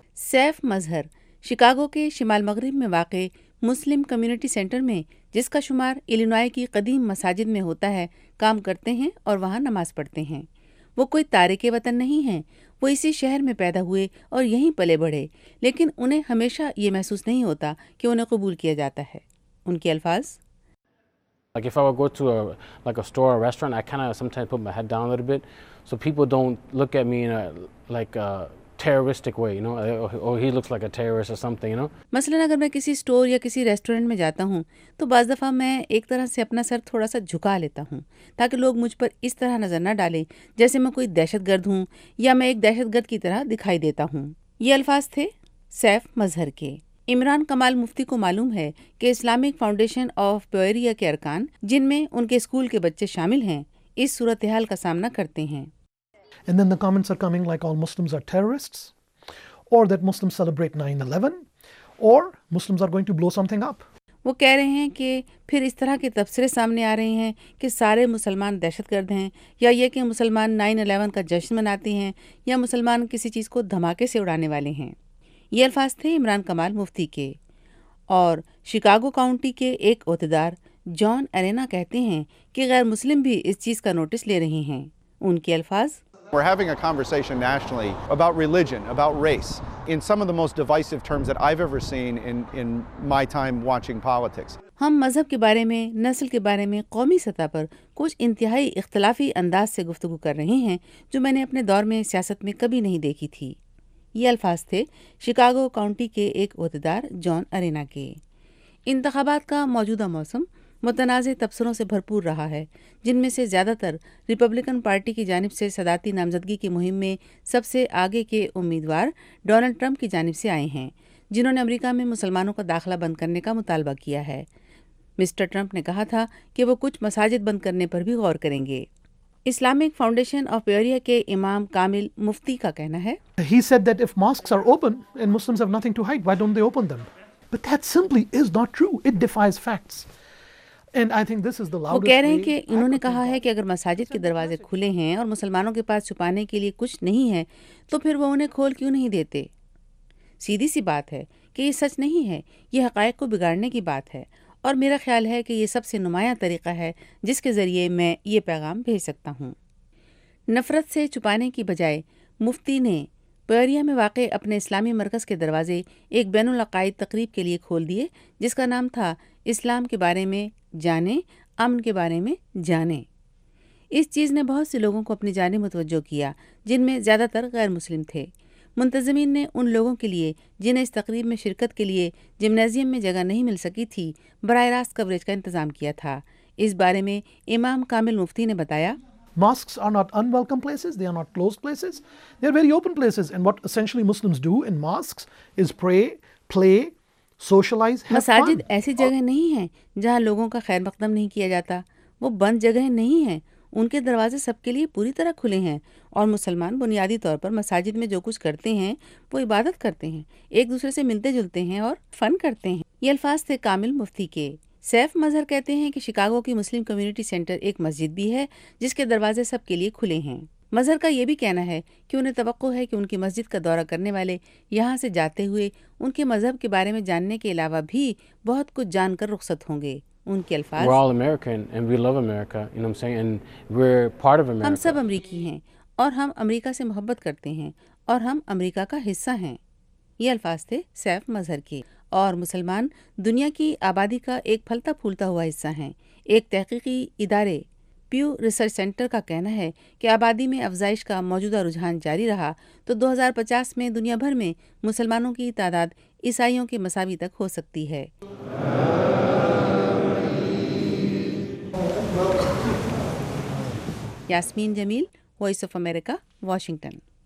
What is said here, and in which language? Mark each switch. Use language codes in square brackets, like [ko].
[ur] Safe مظہر Chicago کے شمال مغرب میں واقع مسلم کمیونٹی سینٹر میں، جس کا شمار ایلینوائے کی قدیم مساجد میں ہوتا ہے، کام کرتے ہیں اور وہاں نماز پڑھتے ہیں۔ وہ کوئی تارک وطن نہیں ہیں، وہ اسی شہر میں پیدا ہوئے اور یہیں پلے بڑھے، لیکن انہیں ہمیشہ یہ محسوس نہیں ہوتا کہ انہیں قبول کیا جاتا ہے۔ ان کے الفاظ، [en] Like if I would go to a like a store or a restaurant, I kind of sometimes put my head down a little bit so people don't look at me in a like a terroristic way, you know, or he looks like a terrorist or something, you know. [ur] مثلا اگر میں کسی store یا کسی restaurant میں جاتا ہوں تو بعض دفعہ میں ایک طرح سے اپنا سر تھوڑا سا جھکا لیتا ہوں تاکہ لوگ مجھ پر اس طرح نظر نہ ڈالیں جیسے میں کوئی دہشت گرد ہوں یا میں ایک دہشت گرد کی طرح دکھائی دیتا ہوں۔ یہ الفاظ تھے سیف مظہر کے۔ عمران کمال مفتی کو معلوم ہے کہ اسلامک فاؤنڈیشن آف پیوریا کے ارکان، جن میں ان کے اسکول کے بچے شامل ہیں، اس صورتحال کا سامنا کرتے ہیں۔ [en] And then the comments are coming like all Muslims are terrorists, or that Muslims celebrate 9/11, or Muslims are going to blow something up. [ur] وہ کہہ رہے ہیں کہ پھر اس طرح کے تبصرے سامنے آ رہے ہیں کہ سارے مسلمان دہشت گرد ہیں، یا یہ کہ مسلمان 9/11 کا جشن مناتے ہیں، یا مسلمان کسی چیز کو دھماکے سے اڑانے والے ہیں۔ یہ الفاظ تھے عمران کمال مفتی کے۔ اور شکاگو کاؤنٹی کے ایک عہدیدار جان ارینا کہتے ہیں کہ غیر مسلم بھی اس چیز کا نوٹس لے رہے ہیں۔ ان کے الفاظ، [en] We're having a conversation nationally about religion, about race, in some of the most divisive terms that I've ever seen in my time watching politics. [ur] ہم مذہب کے بارے میں، نسل کے بارے میں، قومی سطح پر کچھ انتہائی اختلافی انداز سے گفتگو کر رہے ہیں جو میں نے اپنے دور میں سیاست میں کبھی نہیں دیکھی تھی۔ یہ الفاظ تھے شکاگو کاؤنٹی کے ایک عہدیدار جان ارینا کے۔ انتخابات کا موجودہ موسم متنازع تبصروں سے بھرپور رہا ہے، جن میں سے زیادہ تر ریپبلکن پارٹی کی جانب سے صدارتی نامزدگی کی مہم میں سب سے آگے کے امیدوار ڈونلڈ ٹرمپ کی جانب سے آئے ہیں، جنہوں نے امریکہ میں مسلمانوں کا داخلہ بند کرنے کا مطالبہ کیا ہے۔ مسٹر ٹرمپ نے کہا تھا کہ وہ کچھ مساجد بند کرنے پر بھی غور کریں گے۔ اسلامک فاؤنڈیشن آف پیوریا کے امام کامل مفتی کا کہنا ہے، [en] He said that if mosques are open and Muslims have nothing to hide, why don't they open them? But that simply is not true. It defies facts. And I think this is the loudest [ur] وہ کہہ رہے ہیں کہ انہوں نے کہا ہے کہ اگر مساجد کے دروازے کھلے ہیں اور مسلمانوں کے پاس چھپانے کے لیے کچھ نہیں ہے تو پھر وہ انہیں کھول کیوں نہیں دیتے۔ سیدھی سی بات ہے کہ یہ سچ نہیں ہے، یہ حقائق کو بگاڑنے کی بات ہے، اور میرا خیال ہے کہ یہ سب سے نمایاں طریقہ ہے جس کے ذریعے میں یہ پیغام بھیج سکتا ہوں۔ نفرت سے چھپانے کی بجائے مفتی نے پیوریا میں واقع اپنے اسلامی مرکز کے دروازے ایک بین العقائد تقریب کے لیے کھول دیے، جس کا نام تھا اسلام کے بارے میں جانیں، امن کے بارے میں جانیں۔ اس چیز نے بہت سے لوگوں کو اپنی جانب متوجہ کیا، جن میں زیادہ تر غیر مسلم تھے۔ منتظمین نے ان لوگوں کے لیے جنہیں اس تقریب میں شرکت کے لیے جمنیزیم میں جگہ نہیں مل سکی تھی، براہ راست کوریج کا انتظام کیا تھا۔ اس بارے میں امام کامل مفتی نے بتایا، [en] Mosques are not unwelcome places, they are not closed places, they are very open places, and what essentially Muslims do in mosques is pray, play, socialize, have fun. [ur] مساجد ایسی جگہ نہیں ہیں جہاں لوگوں کا خیر مقدم نہیں کیا جاتا، وہ بند جگہیں نہیں ہیں، ان کے دروازے سب کے لیے پوری طرح کھلے ہیں، اور مسلمان بنیادی طور پر مساجد میں جو کچھ کرتے ہیں وہ عبادت کرتے ہیں، ایک دوسرے سے ملتے جلتے ہیں اور فن کرتے ہیں۔ یہ الفاظ تھے کامل مفتی کے۔ سیف مظہر کہتے ہیں کہ شکاگو کی مسلم کمیونٹی سینٹر ایک مسجد بھی ہے جس کے دروازے سب کے لیے کھلے ہیں۔ مظہر کا یہ بھی کہنا ہے کہ انہیں توقع ہے کہ ان کی مسجد کا دورہ کرنے والے یہاں سے جاتے ہوئے ان کے مذہب کے بارے میں جاننے کے علاوہ بھی بہت کچھ جان کر رخصت ہوں گے۔ ان کے الفاظ، [en] We're all American and we love America, you know what I'm saying, and we're part of America. [ur] ہم سب امریکی ہیں اور ہم امریکہ سے محبت کرتے ہیں اور ہم امریکہ کا حصہ ہیں۔ یہ الفاظ تھے سیف مظہر کے۔ اور مسلمان دنیا کی آبادی کا ایک پھلتا پھولتا ہوا حصہ ہیں۔ ایک تحقیقی ادارے پیو ریسرچ سینٹر کا کہنا ہے کہ آبادی میں افزائش کا موجودہ رجحان جاری رہا تو 2050 میں دنیا بھر میں مسلمانوں کی تعداد عیسائیوں کے مساوی تک ہو سکتی ہے۔ یاسمین جمیل، وائس آف امریکہ، واشنگٹن۔